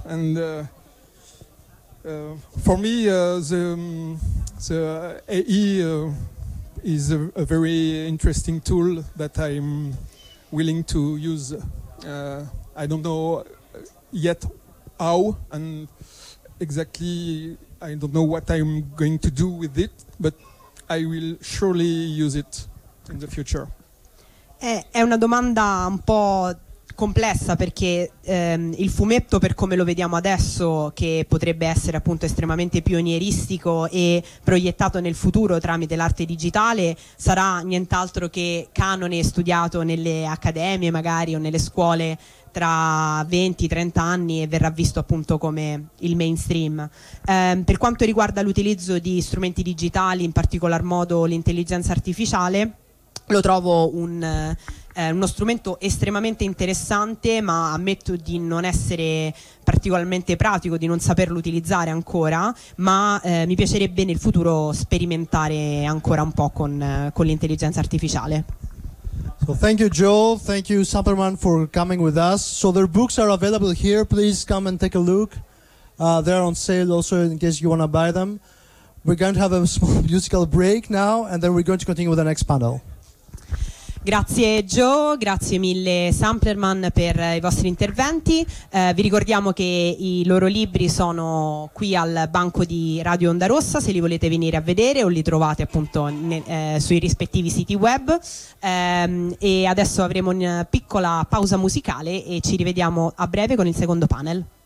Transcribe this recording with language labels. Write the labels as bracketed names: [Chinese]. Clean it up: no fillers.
[English] And for me, the AI is a very interesting tool that I'm willing to use. I don't know yet how, and exactly I don't know what I'm going to do with it, but I will surely use it in the future. [Italian] È una domanda un po' complessa, perché il fumetto, per come lo vediamo adesso, che potrebbe essere appunto estremamente pionieristico e proiettato nel futuro tramite l'arte digitale, sarà nient'altro che canone studiato nelle accademie magari o nelle scuole tra 20-30 anni, e verrà visto appunto come il mainstream. Per quanto riguarda l'utilizzo di strumenti digitali, in particolar modo l'intelligenza artificiale, lo trovo uno strumento estremamente interessante, ma ammetto di non essere particolarmente pratico, di non saperlo utilizzare ancora, ma mi piacerebbe nel futuro sperimentare ancora un po' con l'intelligenza artificiale. [English] So thank you, Joe. Thank you, Superman, for coming with us. So their books are available here. Please come and take a look. They're on sale also in case you want to buy them. We're going to have a small musical break now, and then we're going to continue with the next panel. [Italian] Grazie Joe, grazie mille Samplerman per i vostri interventi. Vi ricordiamo che i loro libri sono qui al banco di Radio Onda Rossa, se li volete venire a vedere, o li trovate appunto sui rispettivi siti web. E adesso avremo una piccola pausa musicale e ci rivediamo a breve con il secondo panel.